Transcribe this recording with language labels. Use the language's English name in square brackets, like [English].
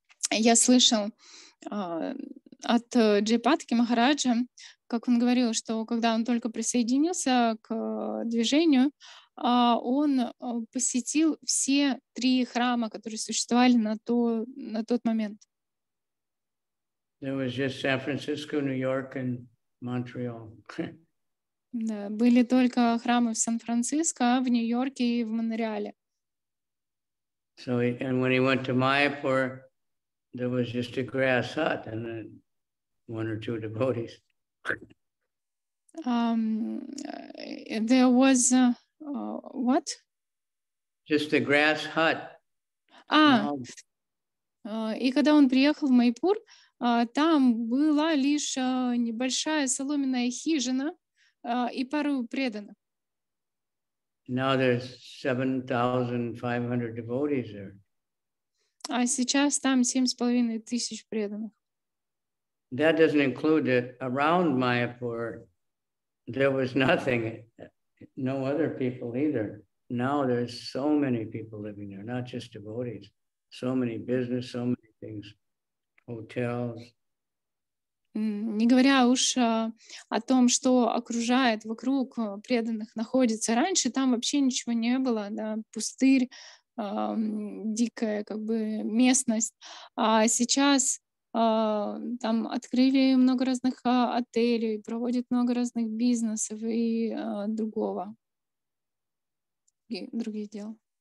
[Russian] Я слышал от Джайпатки Махараджа, как он говорил, что когда он только присоединился к движению, он посетил все три храма, которые существовали на тот момент. [English] There was just San Francisco, New York, and Montreal. [Russian] Да, были только храмы в Сан-Франциско, в Нью-Йорке и в Монреале. [English] So he, and when he went to Mayapur, there was just a grass hut and then one or two devotees. There was what? Just a grass hut. [Russian] И когда он приехал в Майпур, там была лишь небольшая соломенная хижина и пару преданных. [English] Now there's 7,500 devotees there. [Russian] А сейчас там 7,500 преданных. [English] That doesn't include that around Mayapur there was nothing, no other people either. Now there's so many people living there, not just devotees, so many business, so many things, hotels. [Russian] Не говоря уж о том, что окружает вокруг преданных находится. Раньше там вообще ничего не было, да, пустырь, дикая как бы местность, а сейчас там открыли много разных отелей, проводят много разных бизнесов и другого, и другие дела.